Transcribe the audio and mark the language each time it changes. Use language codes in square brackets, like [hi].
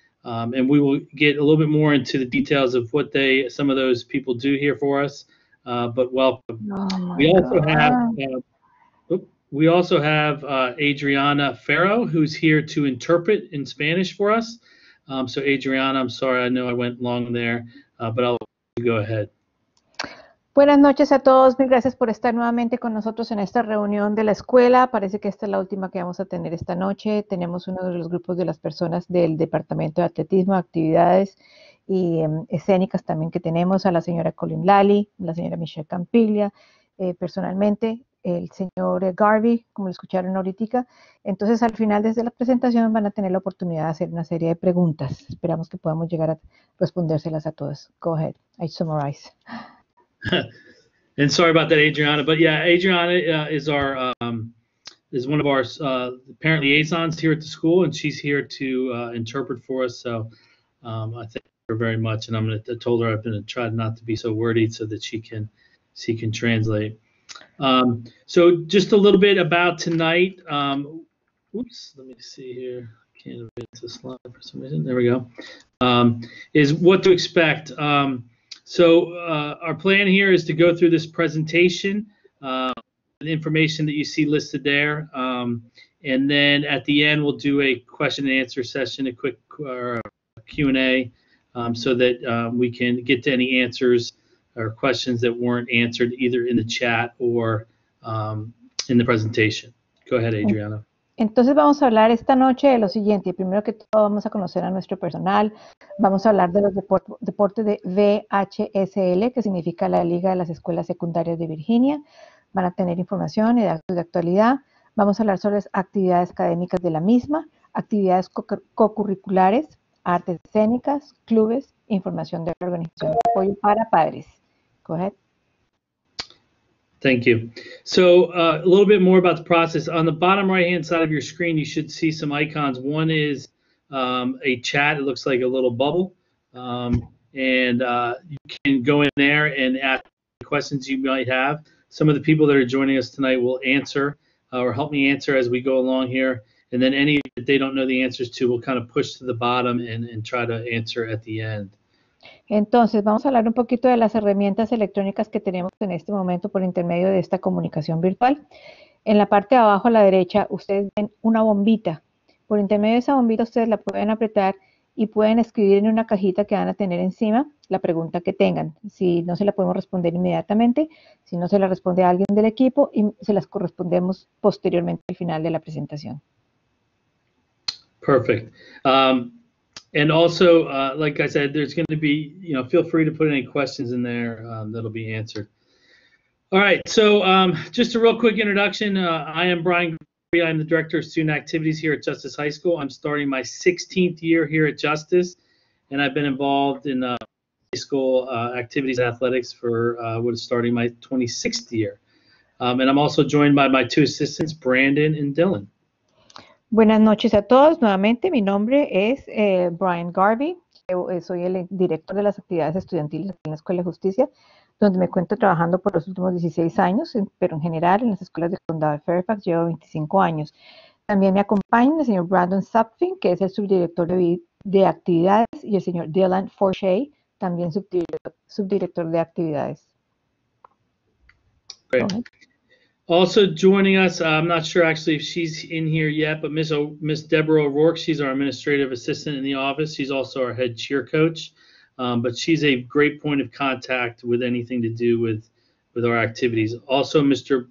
[en] And we will get a little bit more into the details of what they, some of those people do here for us, but welcome. Oh my we also God. Have, we also have Adriana Ferro, who's here to interpret in Spanish for us. So Adriana, I'm sorry, I know I went long there, but I'll let you go ahead. [es] Buenas noches a todos, mil gracias por estar nuevamente con nosotros en esta reunión de la escuela. Parece que esta es la última que vamos a tener esta noche. Tenemos uno de los grupos de las personas del Departamento de Atletismo, Actividades y Escénicas también que tenemos, a la señora Colin Lally, la señora Michelle Campiglia, personalmente, el señor Garvey, como lo escucharon ahorita. Entonces, al final desde la presentación van a tener la oportunidad de hacer una serie de preguntas. Esperamos que podamos llegar a respondérselas a todas. [en] Go ahead, I summarize. And sorry about that, Adriana, but yeah, Adriana is our is one of our parent liaisons here at the school, and she's here to interpret for us. So I thank her very much, and I told her I'm going to try not to be so wordy so that she can translate. So just a little bit about tonight. Let me see here. I can't advance the slide for some reason. There we go. Is what to expect. So our plan here is to go through this presentation, the information that you see listed there, and then at the end we'll do a question and answer session, a quick Q&A, so that we can get to any answers or questions that weren't answered either in the chat or in the presentation. Go ahead, Adriana. [es] Entonces vamos a hablar esta noche de lo siguiente. Primero que todo vamos a conocer a nuestro personal. Vamos a hablar de los deportes de VHSL, que significa la Liga de las Escuelas Secundarias de Virginia. Van a tener información y datos de actualidad. Vamos a hablar sobre las actividades académicas de la misma, actividades co-curriculares, artes escénicas, clubes, información de la organización de apoyo para padres. [en] Go ahead. Thank you. So a little bit more about the process. On the bottom right-hand side of your screen, you should see some icons. One is a chat. It looks like a little bubble. You can go in there and ask questions you might have. Some of the people that are joining us tonight will answer or help me answer as we go along here. And then any that they don't know the answers to, we'll kind of push to the bottom and try to answer at the end. [es] Entonces, vamos a hablar un poquito de las herramientas electrónicas que tenemos en este momento por intermedio de esta comunicación virtual. En la parte de abajo a la derecha, ustedes ven una bombita. Por intermedio de esa bombita, ustedes la pueden apretar y pueden escribir en una cajita que van a tener encima la pregunta que tengan. Si no se la podemos responder inmediatamente, si no se la responde a alguien del equipo, y se las correspondemos posteriormente al final de la presentación. [en] Perfect. And also, like I said, there's going to be, you know, feel free to put any questions in there that'll be answered. All right, so just a real quick introduction. I am Brian Gregory. I'm the Director of Student Activities here at Justice High School. I'm starting my 16th year here at Justice, and I've been involved in high school activities athletics for what is starting my 26th year. And I'm also joined by my two assistants, Brandon and Dylan. [es] Buenas noches a todos. Nuevamente, mi nombre es Brian Garvey. Soy el director de las actividades estudiantiles en la Escuela de Justicia, donde me encuentro trabajando por los últimos 16 años, pero en general en las escuelas del condado de Fairfax llevo 25 años. También me acompaña el señor Brandon Sapfing, que es el subdirector de actividades, y el señor Dylan Forche, también subdirector de actividades. [en] Great. Also joining us, I'm not sure actually if she's in here yet, but Miss Deborah O'Rourke, she's our administrative assistant in the office. She's also our head cheer coach, but she's a great point of contact with anything to do with our activities. Also, Mr.